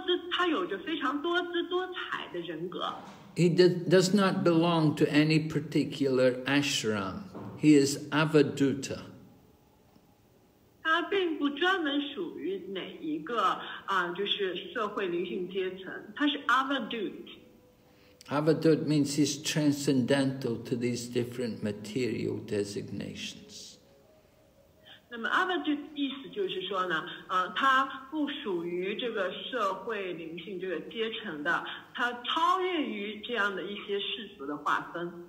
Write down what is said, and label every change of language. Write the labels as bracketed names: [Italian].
[Chinese] 他有着非常多姿多彩的人格。 [English] He does not belong to any particular ashram. He is avaduta. [Chinese] 他并不专门属于哪一个就是社会灵性阶层。他是 avaduta. [English] Avaduta means he's transcendental to these different material designations. [Chinese] 那么 avaduta 意思就是说呢，他不属于这个社会灵性这个阶层的，他超越于这样的一些世俗的划分。